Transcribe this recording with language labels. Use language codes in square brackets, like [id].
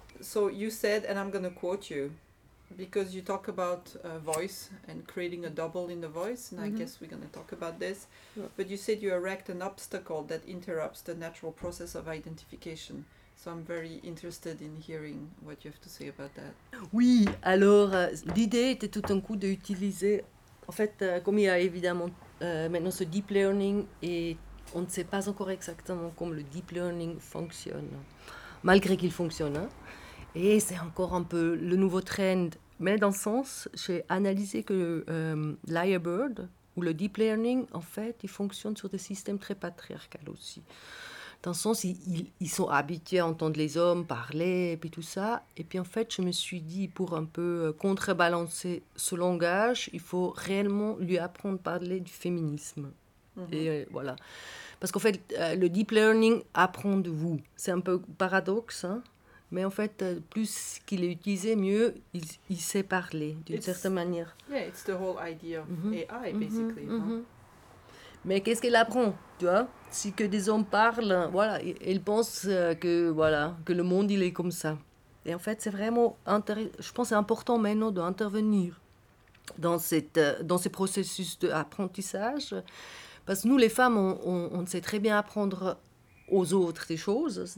[en] So you said, and I'm going to quote you, because you talk about voice and creating a double in the voice, and I guess we're going to talk about this. Yeah. But you said you erect an obstacle that interrupts the natural process of identification. So I'm very interested in hearing what you have to say about that. [fr] Oui, alors l'idée était tout un coup d'utiliser, en fait, comme il y a évidemment maintenant ce deep learning, et on ne sait pas encore exactement comment le deep learning fonctionne, malgré qu'il fonctionne, hein. Et c'est encore un peu le nouveau trend. Mais dans le sens, j'ai analysé que Lyrebird, ou le deep learning, en fait, il fonctionne sur des systèmes très patriarcales aussi. Dans le sens, ils sont habitués à entendre les hommes parler, et puis tout ça. Et puis en fait, je me suis dit, pour un peu contrebalancer ce langage, il faut réellement lui apprendre à parler du féminisme. Et voilà. Parce qu'en fait, le deep learning apprend de vous. C'est un peu paradoxe, hein? Mais en fait, plus qu'il est utilisé, mieux il sait parler, d'une certaine manière. [en] Yeah, it's the whole idea of AI, basically. [fr] Mais qu'est-ce qu'elle apprend, tu vois? Si que des hommes parlent, voilà, elle pense que, voilà, que le monde, il est comme ça. Et en fait, c'est vraiment intéressant. Je pense que c'est important maintenant d'intervenir dans ces processus d'apprentissage. Parce que nous, les femmes, on sait très bien apprendre aux autres des choses.